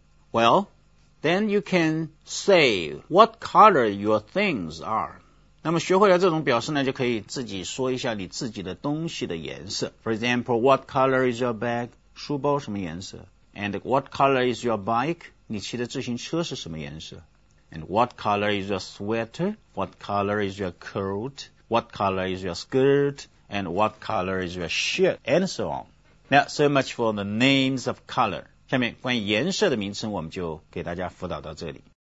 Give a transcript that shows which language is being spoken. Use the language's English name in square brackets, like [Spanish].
[English] Well, then you can say what color your things are。 [Chinese] 那么学会了这种表示呢，就可以自己说一下你自己的东西的颜色。 [English] For example, what color is your bag？书包什么颜色？ And what color is your bike? 你骑的自行车是什么颜色 ?And what color is your sweater? What color is your coat? What color is your skirt? And what color is your shirt? And so on. [Chinese] Now, so much for the names of color. 下面关于颜色的名称我们就给大家辅导到这里。